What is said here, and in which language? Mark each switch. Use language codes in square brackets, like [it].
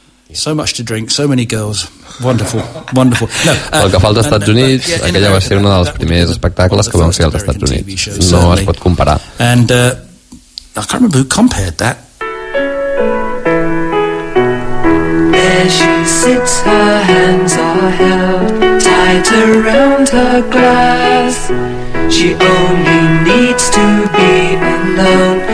[en] So much to drink, so many girls. Wonderful, wonderful. [ca] Pel que fa als Estats Units, aquella va ser una dels primers espectacles que vam fer als Estats Units. No es pot comparar. [en] And I can't remember who compared that. She sits, her hands are held tight around her glass. She only needs to be alone.